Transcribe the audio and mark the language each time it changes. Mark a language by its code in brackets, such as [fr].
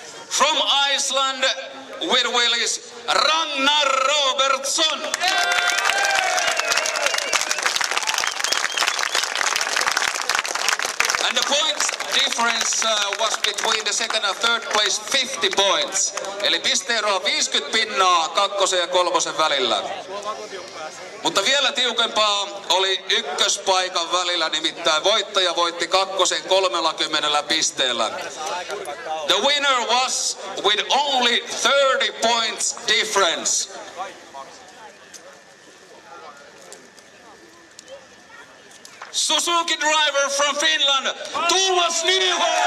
[en] from Iceland with Willis, Ragnar Robertsson. And the points difference was between the second and third place 50 points. [fi] Eli pisteero on 50 pinnaa kakkosen ja kolmosen välillä. Mutta vielä tiukempaa oli ykköspaikan välillä, nimittäin voittaja voitti kakkosen 30 pisteellä. [en] The winner was with only 30 points difference. Suzuki driver from Finland, Tuomas Nyholm!